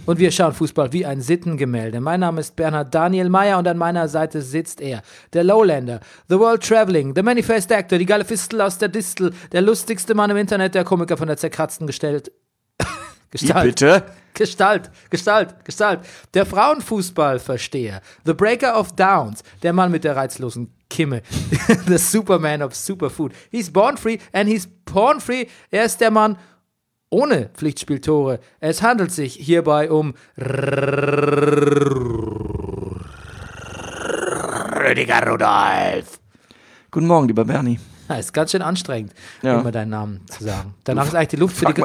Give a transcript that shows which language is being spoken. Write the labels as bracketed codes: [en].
[de] Und wir schauen Fußball wie ein Sittengemälde. Mein Name ist Bernhard Daniel Meyer und an meiner Seite sitzt er, der Lowlander, [en] the world traveling, the manifest actor, [de] die geile Fistel aus der Distel, der lustigste Mann im Internet, der Komiker von der zerkratzten Gestalt. Bitte? Gestalt. Der Frauenfußballversteher, [en] the breaker of downs, [de] der Mann mit der reizlosen Kimme, [en] the Superman of Superfood. He's born free and he's porn free. [de] Er ist der Mann ohne Pflichtspieltore. Es handelt sich hierbei um Rüdiger Rudolf. Guten Morgen, lieber Bernie. Das ist ganz schön anstrengend, immer deinen Namen zu sagen. Danach ist eigentlich die Luft für die...